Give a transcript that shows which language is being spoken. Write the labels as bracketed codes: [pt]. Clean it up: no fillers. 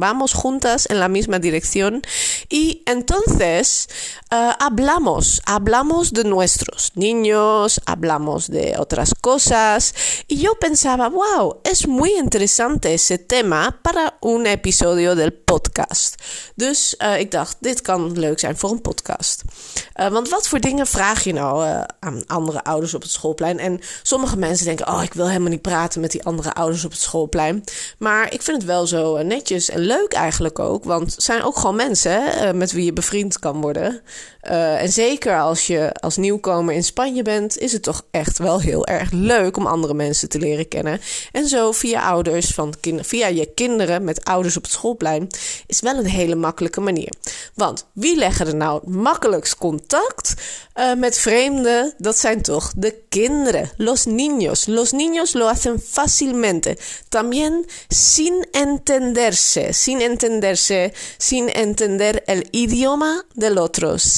[es] Vamos juntas en la misma dirección. Y entonces, hablamos. Hablamos de nuestros niños. Hablamos de otras cosas. Y yo pensaba, wow, es muy interesante ese tema para un episodio del podcast. [nl] Dus ik dacht, dit kan leuk zijn voor een podcast. Want wat voor dingen vraag je nou aan andere ouders op het schoolplein? En sommige mensen denken, oh, ik wil helemaal niet praten met die andere ouders op het schoolplein. Maar ik vind het wel zo netjes en leuk eigenlijk ook. Want het zijn ook gewoon mensen met wie je bevriend kan worden. En zeker als je als nieuwkomer in Spanje bent, is het toch echt wel heel erg leuk om andere mensen te leren kennen. En zo via ouders van via je kinderen met ouders op het schoolplein is wel een hele makkelijke manier. Want wie leggen er nou makkelijkst contact met vreemden? Dat zijn toch de kinderen, [es] los niños. Los niños lo hacen fácilmente. También sin entender el idioma del otro.